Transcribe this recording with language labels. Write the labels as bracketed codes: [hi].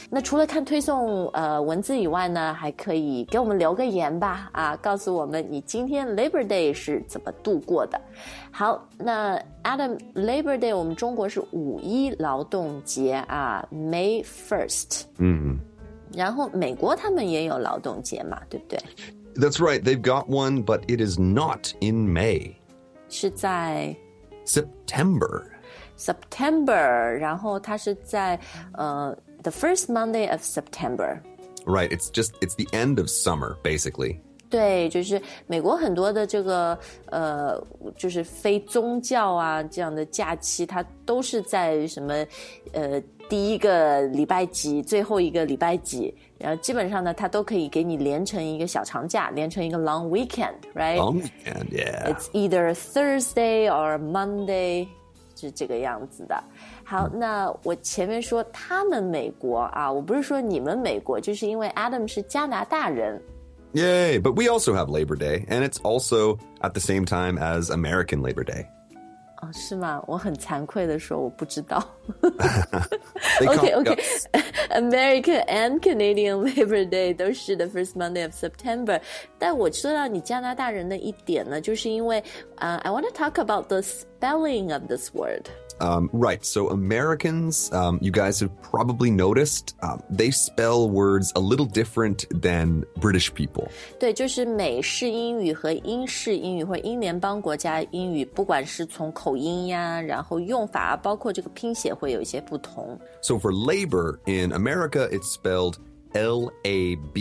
[zh] 那除了看推送文字以外呢，还可以给我们留个言吧，啊，告诉我们你今天 Labor Day 是怎么度过的。好，那 Adam, Labor Day 我们中国是五一劳动节啊， [en] May 1st。 [zh] 然后美国他们也有劳动节嘛，对不对？ [en] That's right, they've got one, but it is not in May. [zh] 是在 [en] September. September, [zh] 然后它是在 [en] the first Monday of September. Right, it's the end of summer, basically. [zh] 对，就是美国很多的这个就是非宗教啊这样的假期，它都是在什么第一个礼拜几，最后一个礼拜几，然后基本上呢，它都可以给你连成一个小长假，连成一个 long weekend, right? [en] Long weekend, yeah. It's either Thursday or Monday, [zh] 是这个样子的。好，那我前面说他们美国啊，我不是说你们美国，就是因为 Adam 是加拿大人。 [en] Yay, but we also have Labor Day, and it's also at the same time as American Labor Day. [zh] 哦，是吗？我很惭愧的说，我不知道。 [en] OK, American and Canadian Labor Day [zh] 都是 [en] the first Monday of September. [zh] 但我知道你加拿大人的一点呢，就是因为 [en] I want to talk about the spelling of this word. Right. So Americans, you guys have probably noticed, they spell words a little different than British people. [zh] 对，就是美式英语和英式英语或英联邦国家英语，不管是从口音呀，然后用法，包括这个拼写会有一些不同。 [en] So for labor in America, it's spelled L-A-B-O-R.